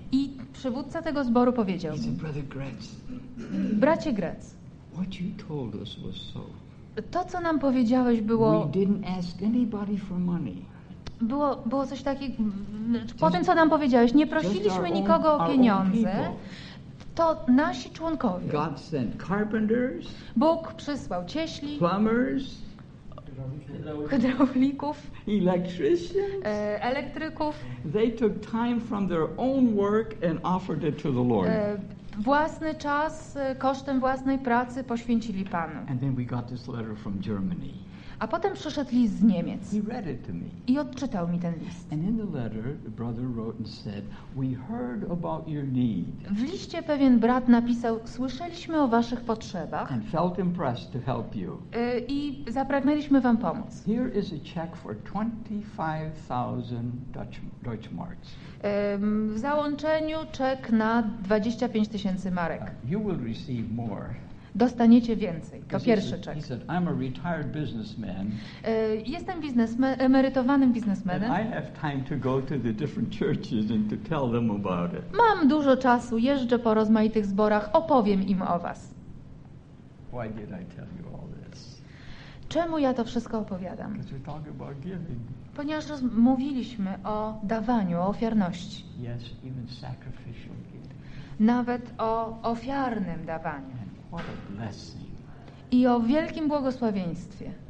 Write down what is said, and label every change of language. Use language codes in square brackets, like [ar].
[pl] i przywódca tego zboru powiedział mi, [en] brother Gretz, [pl] bracie Gretz, [en] what you told us was so. [pl] To, co nam powiedziałeś, było... [en] We didn't ask anybody for money. [pl] Było coś takiego... Po tym, co nam powiedziałeś, nie prosiliśmy nikogo o pieniądze. To nasi członkowie. [en] God sent carpenters, [pl] Bóg przysłał cieśli, [en] plumbers, [pl] hydraulików, [en] electricians, [pl] elektryków. [en] They took time from their own work and offered it to the Lord. [pl] Własny czas, kosztem własnej pracy poświęcili Panu. [en] And then we got this letter from Germany. [pl] A potem przyszedł list z Niemiec. [en] He read it to me. [pl] I odczytał mi ten list. [en] And in the letter, the brother wrote and said, "We heard about your need." [pl] W liście pewien brat napisał, słyszeliśmy o waszych potrzebach. [en] And felt impressed to help you. [pl] I zapragnęliśmy wam pomóc. [en] Here is a check for 25,000 Deutschmarks. [pl] W załączeniu czek na 25 tysięcy marek. [en] You will receive more. [pl] Dostaniecie więcej. To pierwszy czek. [en] He said, "I'm a retired businessman." [pl] Jestem emerytowanym biznesmenem. [en] I have time to go to the different churches and to tell them about it. [pl] Mam dużo czasu, jeżdżę po rozmaitych zborach, opowiem im o was. [en] Why did I tell you all this? [pl] Czemu ja to wszystko opowiadam? [en] Because we're talking about giving. [pl] Ponieważ mówiliśmy o dawaniu, o ofiarności. [en] Yes, even sacrificial giving. [pl] Nawet o ofiarnym dawaniu. [en] What a blessing. [pl] I o wielkim błogosławieństwie.